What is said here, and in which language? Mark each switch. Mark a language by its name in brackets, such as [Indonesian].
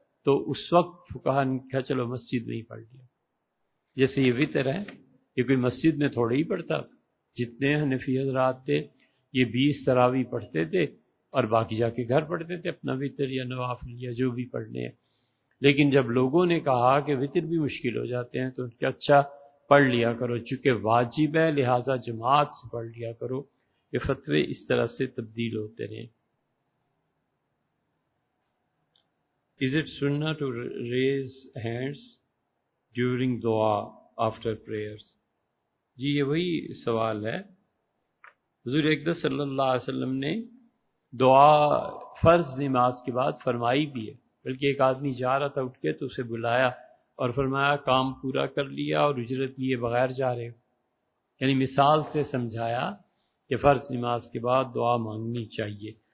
[Urdu] تو اس وقت فقہا نے کہا چلو مسجد میں ہی پڑھ لیا. جیسے یہ وتر ہے، یہ کوئی مسجد میں تھوڑے ہی پڑھتا تھا، جتنے حنفی حضرات تھے یہ 20 تراوی پڑھتے تھے اور باقی جا کے گھر پڑھتے تھے اپنا وتر یا نوافل یا جو بھی پڑھنے ہیں. لیکن جب لوگوں نے کہا کہ وتر بھی مشکل ہو جاتے ہیں تو ان کے اچھا پڑھ لیا کرو، چونکہ واجب ہے لہٰذا جماعت سے پڑھ لیا کرو. یہ فتوے اس طرح سے تبدیل ہوتے رہے. [English] Is it sunnah to raise hands during dua after prayers? [Urdu] جی یہ وہی سوال ہے. حضور اقدس صلی اللہ علیہ وسلم نے دعا فرض نماز کے بعد فرمائی بھی ہے، بلکہ ایک آدمی جا رہا تھا اٹھ کے تو اسے بلایا اور فرمایا کام پورا کر لیا اور اجرت لیے بغیر جا رہے ہو. یعنی مثال سے سمجھایا کہ فرض نماز کے بعد دعا مانگنی چاہیے.